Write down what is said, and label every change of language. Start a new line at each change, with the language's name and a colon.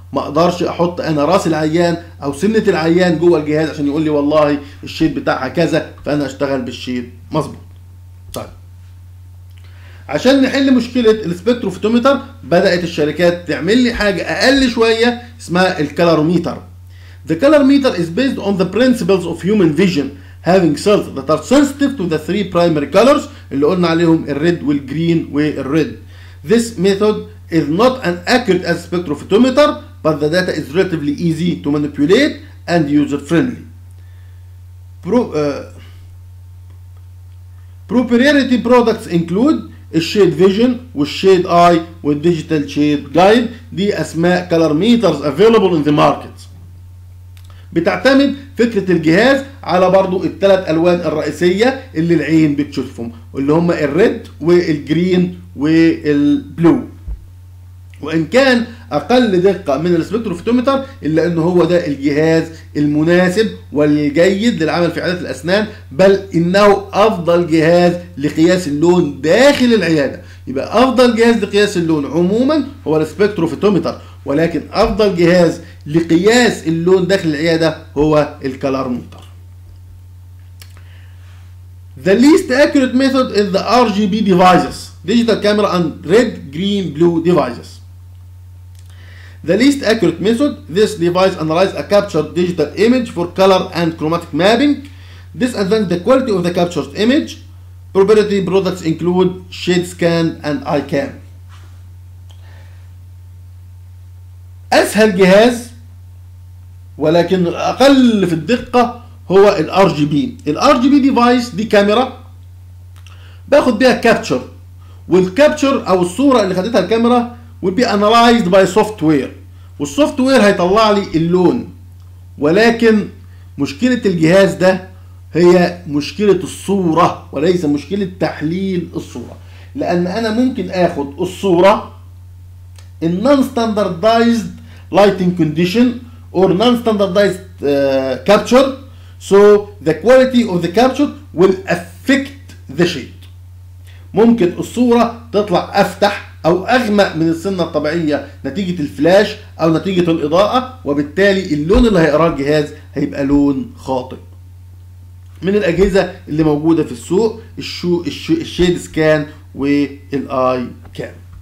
Arabic: ما اقدرش احط انا راس العيان او سنة العيان جوه الجهاز عشان يقول لي والله الشيد بتاعها كذا فانا اشتغل بالشيد مظبوط. طيب عشان نحل مشكلة السبكتروفوتوميتر بدأت الشركات تعمل لي حاجة اقل شوية اسمها الكالوروميتر.
English: The colorimeter is based on the principles of human vision having cells that are sensitive to the three primary colors
Arabic: اللي قلنا عليهم الريد والجرين والريد.
English: This method is not as accurate as spectrophotometer but the data is relatively easy to manipulate and user friendly. Proprietary products include Shade Vision والShade Eye والDigital Shade Guide.
Arabic: دي اسماء
English: color meters available in the market.
Arabic: بتعتمد فكرة الجهاز على برضو الثلاث ألوان الرئيسية اللي العين بتشوفهم اللي هما الريد والجرين والبلو. وان كان اقل دقة من السبكتروفوتوميتر الا انه هو ده الجهاز المناسب والجيد للعمل في عيادة الاسنان، بل انه افضل جهاز لقياس اللون داخل العيادة. يبقى افضل جهاز لقياس اللون عموما هو السبكتروفوتوميتر، ولكن أفضل جهاز لقياس اللون داخل العيادة هو الكالارمتر.
English: The least accurate method is the RGB devices, digital camera and red, green, blue devices. The least accurate method, this device analyzes a captured digital image for color and chromatic mapping. This advances the quality of the captured image. Proprietary products include ShadeScan and iCam.
Arabic: أسهل جهاز ولكن الأقل في الدقة هو الـ RGB. الـ RGB device دي كاميرا باخد بيها كابتشر، والكابتشر أو الصورة اللي خدتها الكاميرا
English: will be analyzed by software،
Arabic: والsoftware هيطلع لي اللون. ولكن مشكلة الجهاز ده هي مشكلة الصورة وليس مشكلة تحليل الصورة، لأن أنا ممكن أخد الصورة
English: in non-standardized lighting condition or non-standardized capture. So the quality of the capture will affect the shade.
Arabic: ممكن الصورة تطلع أفتح أو أغمق من السنة الطبيعية نتيجة الفلاش أو نتيجة الإضاءة، وبالتالي اللون اللي هيقراه الجهاز هيبقى لون خاطئ. من الأجهزة اللي موجودة في السوق الشيد سكان والآي كام.